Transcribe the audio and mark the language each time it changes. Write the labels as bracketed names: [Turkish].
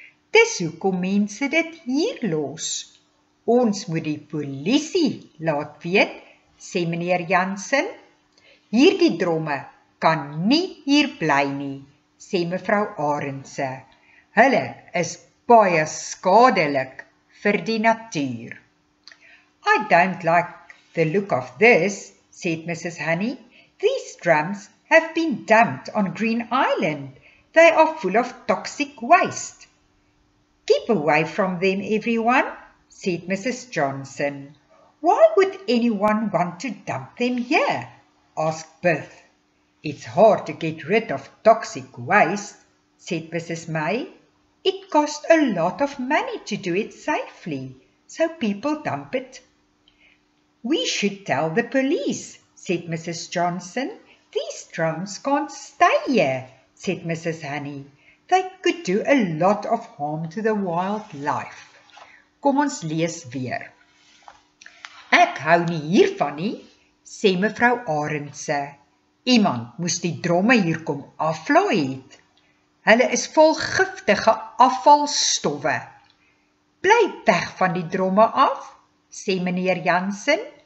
[Afrikaans] Dis hoekom mense dit hier los. Ons moet die polisie laat weet, sê meneer Jansen. Hierdie dromme kan nie hier bly nie, sê mevrou Arendse. Hulle is baie skadelik vir die natuur. [English] I don't like the look of this, said Mrs. Honey. These drums have been dumped on Green Island. They are full of toxic waste. Keep away from them, everyone, said Mrs. Johnson. Why would anyone want to dump them here? Asked Beth. It's hard to get rid of toxic waste, said Mrs. May. It cost a lot of money to do it safely, so people dump it. We should tell the police, said Mrs. Johnson. These drums can't stay here, said Mrs. Honey. They could do a lot of harm to the wildlife. [Afrikaans] Kom ons lees weer. Ek hou nie hiervan nie, sê mevrou Arendse. Iemand moes die dromme hier kom aflaai het. Hulle is vol giftige afvalstowwe. Bly weg van die dromme af, sê meneer Jansen.